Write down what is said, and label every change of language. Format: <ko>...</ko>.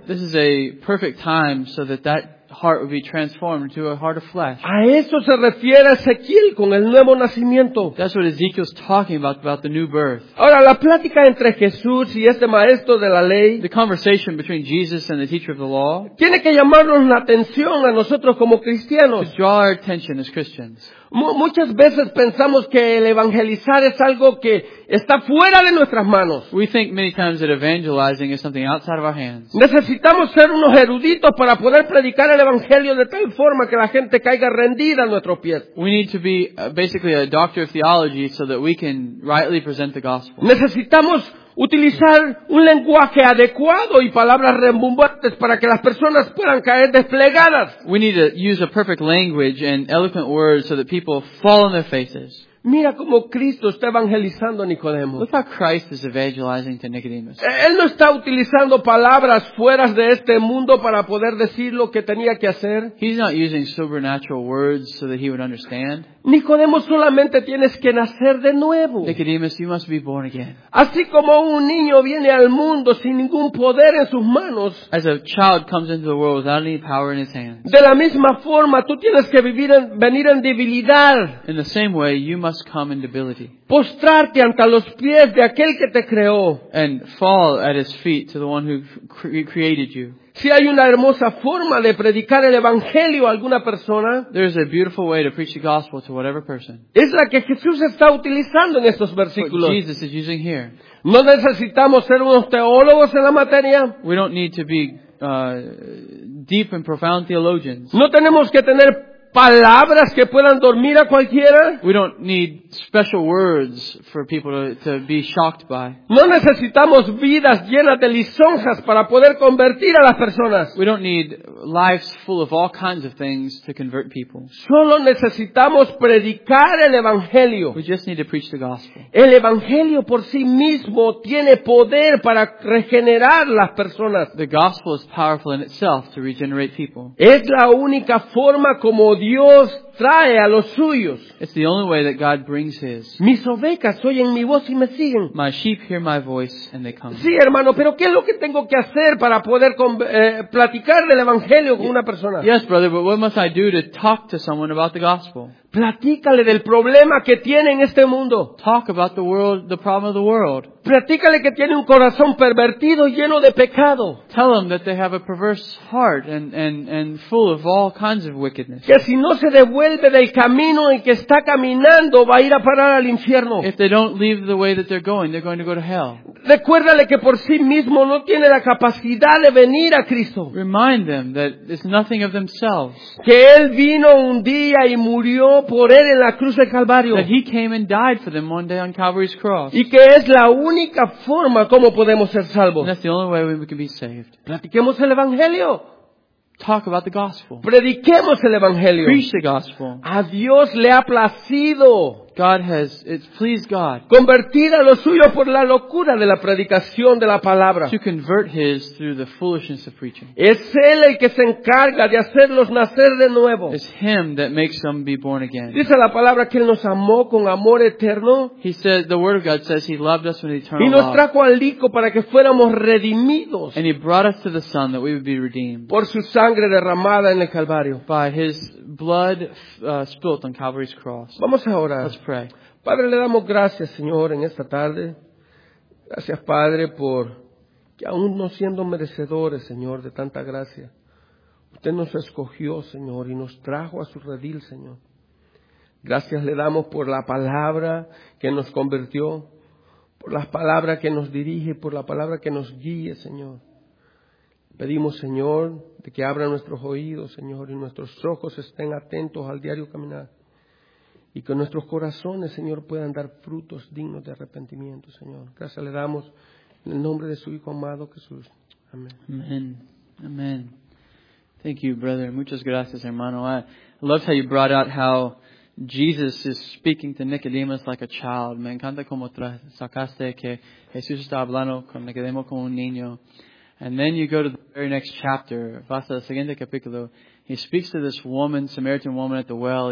<en>This is a perfect time so that that heart would be transformed into a heart of flesh.</en> <es>A eso se refiere Ezequiel con el nuevo nacimiento.</es> <en>That's what Ezekiel is talking about the new birth.</en> <es>Ahora, la plática entre Jesús y este maestro de la ley,</es> <en>the conversation between Jesus and the teacher of the law,</en> <es>tiene que llamarnos la atención a nosotros como cristianos.</es> <en>To draw our attention as Christians.</en> <es>Muchas veces pensamos que el evangelizar es algo que está fuera de nuestras manos.</es> <en>We think many times that evangelizing is something outside of our hands.</en> <es>Necesitamos ser unos eruditos para poder predicar el evangelio de tal forma que la gente caiga rendida a nuestros pies.</es> <en>We need to be basically a doctor of theology so that we can rightly present the gospel.</en> <es>Necesitamos utilizar un lenguaje adecuado y palabras rimbombantes para que las personas puedan caer desplegadas.</es> <en>We need to use a perfect language and eloquent words so that people fall on their faces.</en> <es>Mira cómo Cristo está evangelizando a Nicodemo.</es> <en>Look how Christ is evangelizing to Nicodemus.</en> <es>Él no está utilizando palabras fuera de este mundo para poder decir lo que tenía que hacer.</es> <en>He's not using supernatural words so that he would understand.</en> <es>Nicodemo, solamente tienes que nacer de nuevo.</es> <en>Nicodemus, you must be born again.</en> <es>Así como un niño viene al mundo sin ningún poder en sus manos.</es> <en>As a child comes into the world without any power in his hands.</en> <es>De la misma forma, tú tienes que venir en debilidad.</es> <en>In the same way, you must come in debility.</en> <es>Postrarte ante los pies de aquel que te creó.</es> <en>And fall at his feet to the one who created you.</en> <es>Si hay una hermosa forma de predicar el evangelio a alguna persona,</es> <en>there's a beautiful way to preach the gospel to whatever person.</en> <es>Es la que Jesús está utilizando en estos versículos.</es> <en>What Jesus is using here.</en> <es>No necesitamos ser unos teólogos en la materia.</es> <en>We don't need to be deep and profound theologians.</en> <es>No tenemos que tener palabras que puedan dormir a cualquiera.</es> <en>We don't need special words for people to be shocked by.</en> <es>No necesitamos vidas llenas de lisonjas para poder convertir a las personas.</es> <en>We don't need lives full of all kinds of things to convert people.</en> <es>Solo necesitamos predicar el evangelio.</es> <en>We just need to preach the gospel.</en> <es>El evangelio por sí mismo tiene poder para regenerar las personas.</es> <en>The gospel is powerful in itself to regenerate people.</en> <es>Es la única forma como Dios trae a los suyos.</es> <en>It's the only way that God brings his.</en> <es>Mis ovejas oyen mi voz y me siguen.</es> <en>My sheep hear my voice and they come.</en> <es>Sí, hermano, pero ¿qué es lo que tengo que hacer para poder platicar del evangelio con una persona?</es> <en>Yes, brother, but what must I do to talk to someone about the gospel?</en> <es>Platícale del problema que tiene en este mundo.</es> <en>Talk about the world, the problem of the world.</en> <es>Platícale que tiene un corazón pervertido lleno de pecado.</es> <en>Tell them that they have a perverse heart and full of all kinds of wickedness.</en> <es>Que si no se devuelve del camino en que está caminando, va a ir a parar al infierno.</es> <en>If they don't leave the way that they're going, they're going to go to hell.</en> <es>Recuérdale que por sí mismo no tiene la capacidad de venir a Cristo.</es> <en>Remind them that it's nothing of themselves.</en> <es>Que Él vino un día y murió por él en la cruz del Calvario.</es> <en>That he came and died for them one day on Calvary's cross.</en> <es>Y que es la única forma como podemos ser salvos.</es> <en>And that's the only way we can be saved.</en> <es>Platiquemos el evangelio.</es> <en>Talk about the gospel.</en> <es>Prediquemos el evangelio.</es> <en>Preach the gospel.</en> <es>A Dios le ha placido.</es> <en>God has, it's pleased God.</en> <es>Convertir a los suyos por la locura de la predicación de la palabra.</es> <en>To convert his through the foolishness of preaching.</en> <es>Es él el que se encarga de hacerlos nacer de nuevo.</es> <en>It's him that makes them be born again.</en> <es>Dice la palabra que él nos amó con amor eterno.</es> <en>He said, the word of God says he loved us with eternal love.</en> <es>Y nos trajo al hijo para que fuéramos redimidos.</es> <en>And he brought us to the son that we would be redeemed.</en> <es>Por su sangre derramada en el Calvario.</es> <en>By his blood spilt on Calvary's cross.</en> <es>Vamos a orar.</es> <en>Let's pray.</en> <es>Padre, le damos gracias, Señor, en esta tarde. Gracias, Padre, por que aún no siendo merecedores, Señor, de tanta gracia, usted nos escogió, Señor, y nos trajo a su redil, Señor. Gracias le damos por la palabra que nos convirtió, por la palabra que nos dirige, por la palabra que nos guíe, Señor. Pedimos, Señor, de que abra nuestros oídos, Señor, y nuestros ojos estén atentos al diario caminar. Y que nuestros corazones, Señor, puedan dar frutos dignos de arrepentimiento, Señor. Gracias le damos en el nombre de su Hijo amado, Jesús. Amén.</es> <en>Amén. Amén. Thank you, brother.</en> <es>Muchas gracias, hermano.</es> <en>I love how you brought out how Jesus is speaking to Nicodemus like a child.</en> <es>Me encanta cómo sacaste que Jesús está hablando con Nicodemo como un niño.</es> <en>And then you go to the very next chapter,</en> <es>vas al siguiente capítulo.</es> <en>He speaks to this woman, Samaritan woman at the well.</en>